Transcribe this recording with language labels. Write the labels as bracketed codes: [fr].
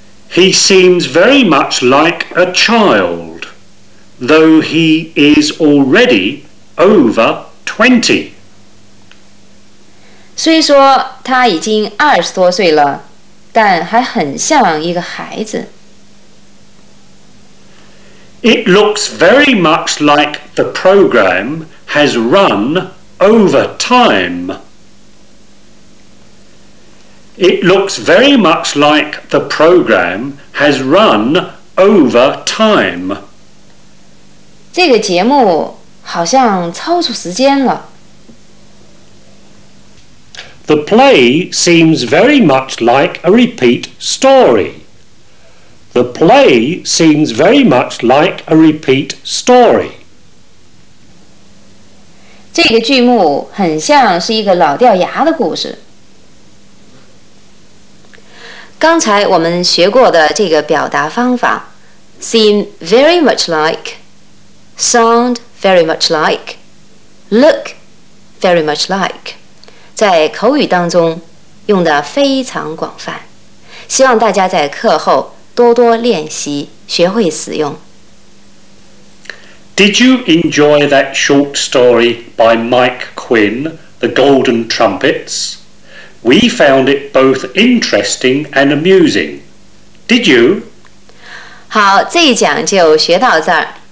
[en] He seems very much like a child, though he is already over 20. [zh] 虽说他已经二十多岁了，但还很像一个孩子。 [en] It looks very much like the program has run. Over time. It looks very much like the program has run over time. [zh] 这个节目好像超出时间了。 [en] The play seems very much like a repeat story. The play seems very much like a repeat story. [zh] 这个剧目很像是一个老掉牙的故事。刚才我们学过的这个表达方法 [en] Seem very much like [zh] Sound very much like. [en] Look very much like. [zh] 在口语当中用的非常广泛。希望大家在课后多多练习，学会使用。 [en] Did you enjoy that short story by Mike Quinn, The Golden Trumpets? We found it both interesting and amusing. Did you? [zh] 好，这一讲就学到这儿。